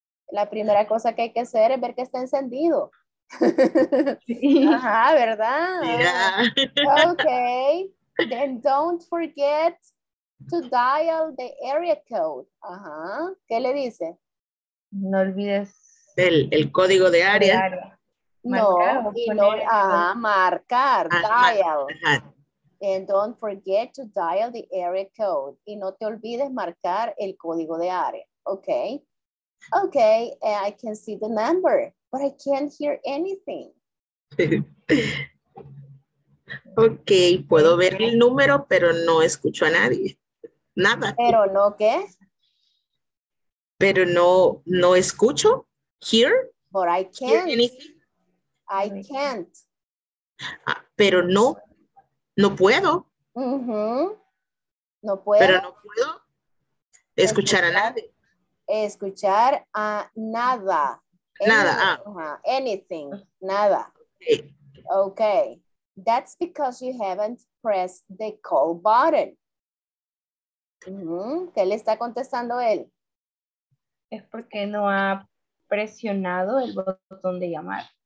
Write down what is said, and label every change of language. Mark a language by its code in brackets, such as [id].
[es] La primera cosa que hay que hacer es ver que está encendido. Sí. Ajá, ¿verdad? [en] Yeah. Ok, then don't forget to dial the area code. [es] Ajá, ¿qué le dice? No olvides el código de área. No, y no, ajá, marcar, dial. Ajá. [en] And don't forget to dial the area code. [es] Y no te olvides marcar el código de área. [en] Ok. Ok, I can see the number, but I can't hear anything. [es] Ok, puedo ver el número, pero no escucho a nadie. Nada. ¿Pero no qué? Pero no escucho. Hear. [en] But I can't. Hear anything. I can't. [es] Ah, pero no puedo. Uh-huh. No puedo. Pero no puedo escuchar a nadie. Escuchar a nada. Nada. [en] Anything. Uh-huh. Anything. Nada. Okay. That's because you haven't pressed the call button. [es] Uh-huh. ¿Qué le está contestando él? Es porque no ha presionado el botón de llamar.